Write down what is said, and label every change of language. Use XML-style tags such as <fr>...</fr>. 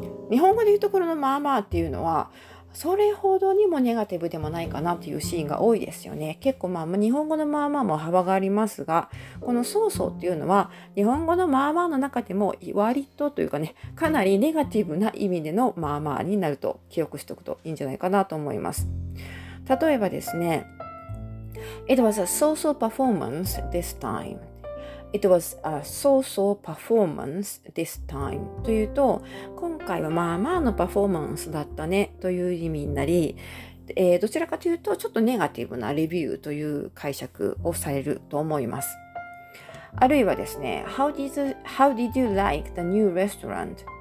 <ja>日本語でいうところのまあまあっていうのはそれほどにもネガティブでもないかなっていうシーンが多いですよね。結構まあ日本語のまあまあも幅がありますが、このそうそうっていうのは日本語のまあまあの中でも割とというかね、かなりネガティブな意味でのまあまあになると記憶しておくといいんじゃないかなと思います。例えばですね、</ja> <en>It was a so-so performance this timeIt was a so-so performance this time.</en> <ja>というと、今回はまあまあのパフォーマンスだったねという意味になり、どちらかというとちょっとネガティブなレビューという解釈をされると思います。あるいはですね、</ja> <en>How did you like the new restaurant?</en>